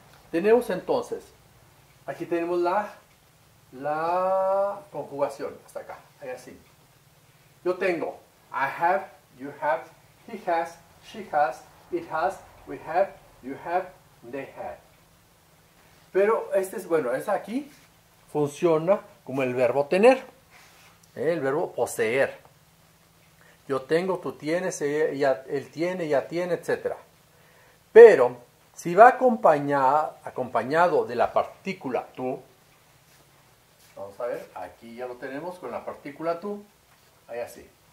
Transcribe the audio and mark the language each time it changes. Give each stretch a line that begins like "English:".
Spanish: Tenemos entonces, aquí tenemos la conjugación, hasta acá, ahí así. Yo tengo,
English: I have, you have, he has, she has, it has, we have, you have, they have.
Spanish: Pero este es, bueno, es aquí, funciona como el verbo tener, el verbo poseer. Yo tengo, tú tienes, él tiene, ella tiene, etc. Pero, si va acompañado de la partícula tú, vamos a ver, aquí ya lo tenemos con la partícula tú, ahí así.